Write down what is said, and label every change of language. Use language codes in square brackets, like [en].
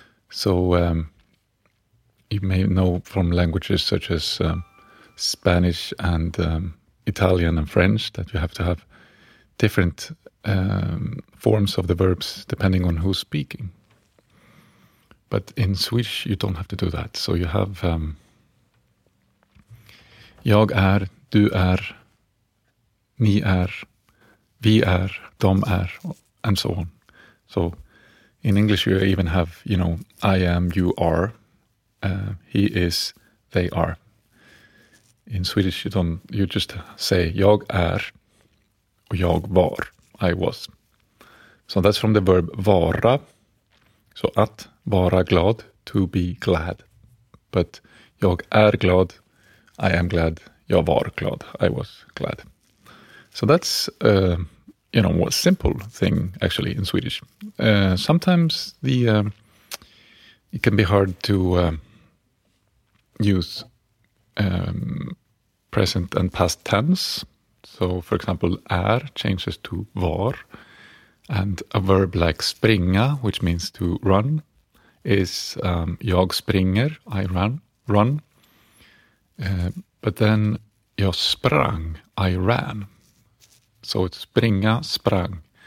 [en] So you may know from languages such as Spanish and Italian and French that you have to have different forms of the verbs depending on who's speaking. But in Swedish, you don't have to do that. So you have [sv] jag är, du är, ni är, vi är, de är, [en] and so on. So in English, you even have, you know, I am, you are, he is, they are. In Swedish, you just say [sv] jag är, [en] or [sv] jag var, [en] I was. So that's from the verb vara. So [sv] att vara glad, [en] to be glad. But [sv] jag är glad, [en] I am glad, [sv] jag var glad, [en] I was glad. So that's, you know, a simple thing, actually, in Swedish. Sometimes it can be hard to use present and past tense. So, for example, är changes to var. And a verb like springa, which means to run, is [sv] jag springer, [en] I run. But then [sv] jag sprang, [en] I ran. So it's springa, sprang.